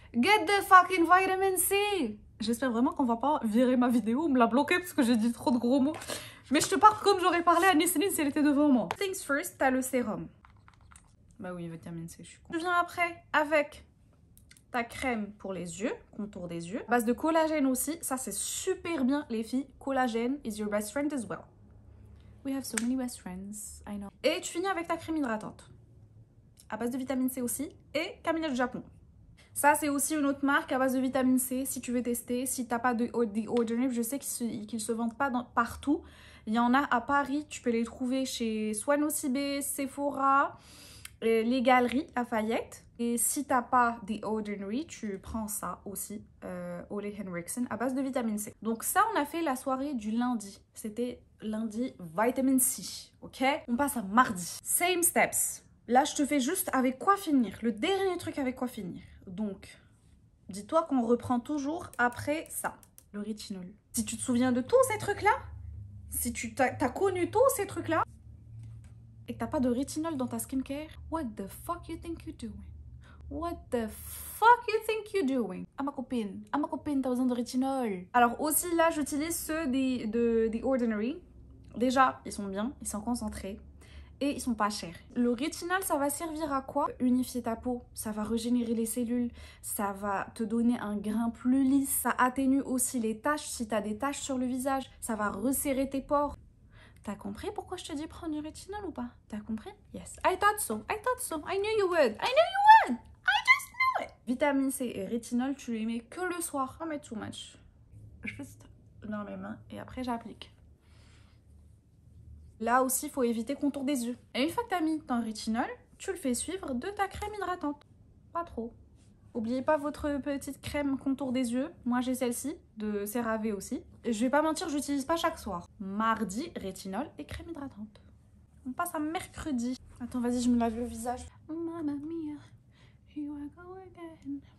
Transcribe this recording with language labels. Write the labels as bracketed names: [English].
[English] Get the fucking vitamin C! [French] J'espère vraiment qu'on va pas virer ma vidéo ou me la bloquer parce que j'ai dit trop de gros mots. Mais je te parle comme j'aurais parlé à Nisrin si elle était devant moi. [English] Things first, [French] t'as le sérum. Bah oui, vitamine C, je suis con. Tu viens après avec ta crème pour les yeux, contour des yeux. Base de collagène aussi, ça c'est super bien les filles. [English] Collagène is your best friend as well. We have so many best friends, I know. [French] Et tu finis avec ta crème hydratante. À base de vitamine C aussi. Et Camilla du Japon. Ça, c'est aussi une autre marque à base de vitamine C. Si tu veux tester, si t'as pas de The Ordinary, je sais qu'ils se vendent pas partout. Il y en a à Paris. Tu peux les trouver chez Swan Ocibé, Sephora, les galeries Lafayette. Et si t'as pas The Ordinary, tu prends ça aussi, Ole Henriksen, à base de vitamine C. Donc ça, on a fait la soirée du lundi. C'était lundi, vitamine C, ok? On passe à mardi. [English] Same steps. [French] Là, je te fais juste avec quoi finir. Le dernier truc avec quoi finir. Donc, dis-toi qu'on reprend toujours après ça. Le rétinol. Si tu te souviens de tous ces trucs-là, si tu t'as connu tous ces trucs-là, et que t'as pas de rétinol dans ta skincare, [English] what the fuck you think you're doing? What the fuck you think you're doing? [French] À ma copine, t'as besoin de rétinol. Alors aussi là, j'utilise ceux de The Ordinary. Déjà, ils sont bien, ils sont concentrés et ils sont pas chers. Le rétinol, ça va servir à quoi? Unifier ta peau, ça va régénérer les cellules, ça va te donner un grain plus lisse, ça atténue aussi les taches si t'as des taches sur le visage, ça va resserrer tes pores. T'as compris pourquoi je te dis prendre du rétinol ou pas? T'as compris? [English] Yes, I thought so, I knew you would, I just knew it! [French] Vitamine C et rétinol, tu les mets que le soir. Je mets [English] too much, [French] juste dans mes mains et après j'applique. Là aussi, il faut éviter contour des yeux. Et une fois que t'as mis ton rétinol, tu le fais suivre de ta crème hydratante. pas trop. Oubliez pas votre petite crème contour des yeux. Moi, j'ai celle-ci de CeraVe aussi. Et je vais pas mentir, j'utilise pas chaque soir. Mardi, rétinol et crème hydratante. On passe à mercredi. Attends, vas-y, je me lave le visage. [English] Mamma mia, here I go again.